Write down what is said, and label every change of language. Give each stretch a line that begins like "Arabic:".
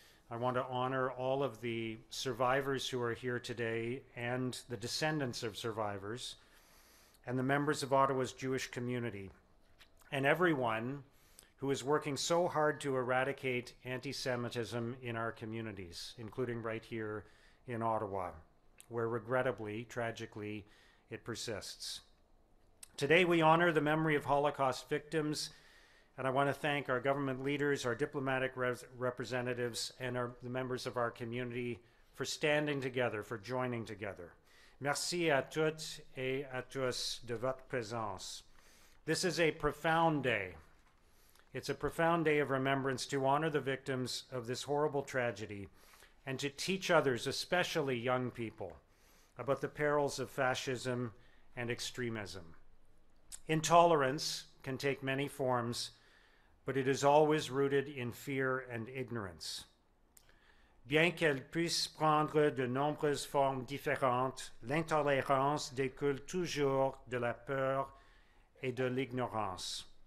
English: I want to honor all of the survivors who are here today and the descendants of survivors and the members of Ottawa's Jewish community and everyone who is working so hard to eradicate anti-Semitism in our communities, including right here in Ottawa, where regrettably, tragically, it persists. Today we honor the memory of Holocaust victims, and I want to thank our government leaders, our diplomatic representatives, and the members of our community for standing together, for joining together.
French: Merci à toutes et à tous de votre présence.
English: This is a profound day. It's a profound day of remembrance to honor the victims of this horrible tragedy and to teach others, especially young people, about the perils of fascism and extremism. Intolerance can take many forms, but it is always rooted in fear and ignorance.
French: Bien qu'elle puisse prendre de nombreuses formes différentes, l'intolérance découle toujours de la peur et de l'ignorance.